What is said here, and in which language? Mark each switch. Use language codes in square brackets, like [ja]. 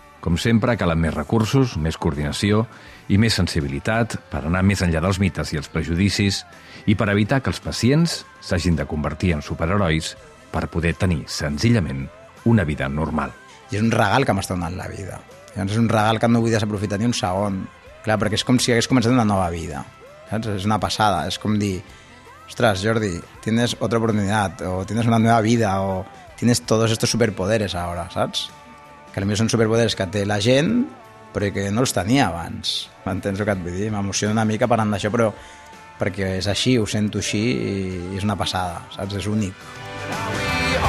[ca] Com sempre, calen més recursos, més coordinació i més sensibilitat per anar més enllà dels mites i els prejudicis i per evitar que els pacients s'hagin de convertir en superherois per poder tenir, senzillament, una vida normal. I és un regal que m'està donant la vida. Llavors és un regal que no vull desaprofitar ni un segon. Clar, perquè és com si hagués començat una nova vida. Saps? És una passada. És com dir, ostres, [es] Jordi, tienes otra oportunidad, o tienes una nueva vida, o tienes todos estos superpoderes ahora, saps? [ca] Que potser són superpoderes que té la gent, però que no els tenia abans. M'entens el que et vull dir? M'emociono una mica parlant d'això, però perquè és així, ho sento així, i és una passada, saps? És únic.